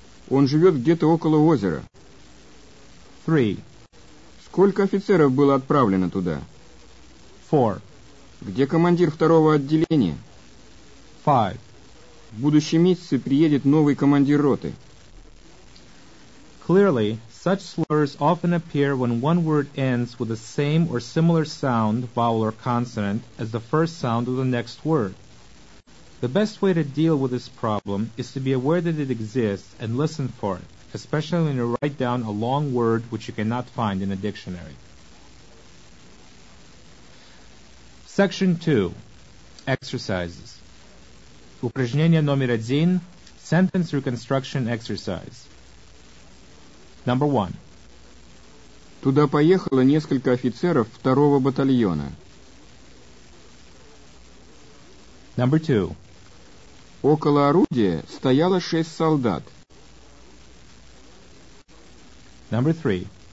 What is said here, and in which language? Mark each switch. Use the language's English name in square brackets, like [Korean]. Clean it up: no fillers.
[Russian] Он живет где-то около озера. [English] 3. [Russian] Сколько офицеров было отправлено туда? [English] 4. [Russian] Где командир второго отделения? [English] 5. [Russian] В будущем месяце приедет новый командир роты. [English] Clearly, such slurs often appear when one word ends with the same or similar sound, vowel or consonant, as the first sound of the next word. The best way to deal with this problem is to be aware that it exists and listen for it, especially when you write down a long word which you cannot find in a dictionary. Section 2. Exercises. [Russian] Упражнение номер один. [English] Sentence reconstruction exercise. Number 1. [Russian] Туда поехало несколько офицеров второго батальона. [English] Number 2. [Russian] Около орудия стояло 6 солдат. [English] Number 3.